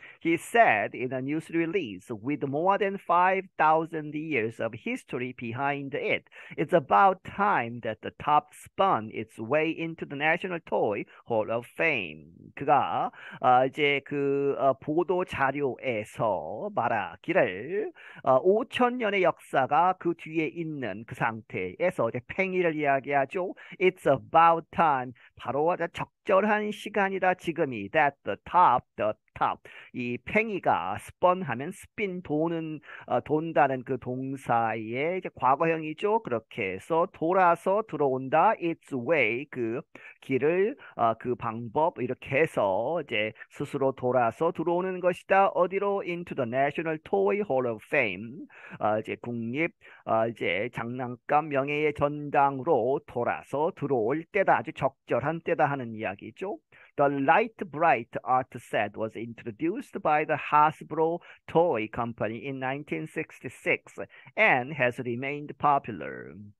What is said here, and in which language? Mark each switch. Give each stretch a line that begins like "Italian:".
English: He said in a news release, with more than 5,000 years of history behind it, it's about time that the top spun its way into the National Toy Hall of Fame.
Korean: 그가 이제 그 보도 자료에서 말하기를 5,000년의 역사가 그 뒤에 있는 그 상태에서 이제 팽이를 이야기하죠.
English: It's about time.
Korean: 바로 적절한 시간이다. 지금이
English: that the top.
Korean: 이 팽이가 spun 하면 spin 도는 돈다는 그 동사의 이제 과거형이죠. 그렇게 해서 돌아서 들어온다.
English: Its way
Korean: 그 길을 그 방법 이렇게 해서 이제 스스로 돌아서 들어오는 것이다. 어디로?
English: Into the National Toy Hall of Fame.
Korean: 이제 국립 이제 장난감 명예의 전당으로 돌아서 들어올 때다. 아주 적절한 때다 하는 이야기죠.
English: The Light Bright Art Set was introduced by the Hasbro Toy Company in 1966 and has remained popular.